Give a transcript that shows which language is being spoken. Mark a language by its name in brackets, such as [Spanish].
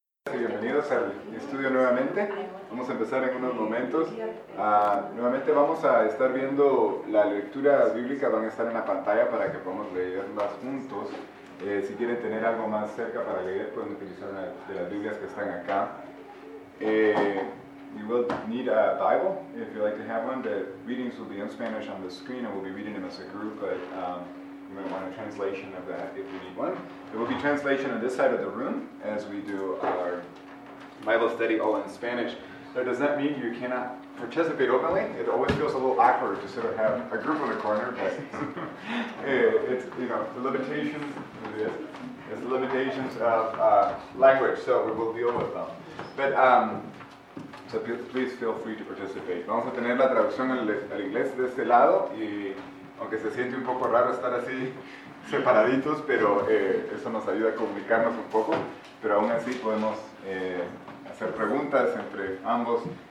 [Spanish] Bienvenidos al estudio nuevamente. Vamos a empezar en unos momentos. Nuevamente vamos a estar viendo la lectura bíblica. Van a estar en la pantalla para que podamos leerlas juntos. Si quieren tener algo más cerca para leer, pueden utilizar una de las Biblias que están acá. [English] You will need a Bible if you'd like to have one. The readings will be in Spanish on the screen and we'll be reading them as a group, but you might want a translation of that if you need one. There will be translation on this side of the room as we do our Bible study all in Spanish. But does that mean you cannot participate openly? It always feels a little awkward to sort of have a group in the corner, but it's the limitations of language, so we will deal with them. But so please feel free to participate. [Spanish] Vamos a tener la traducción al inglés de este lado y aunque se siente un poco raro estar así separaditos, pero eso nos ayuda a comunicarnos un poco, pero aún así podemos hacer preguntas entre ambos.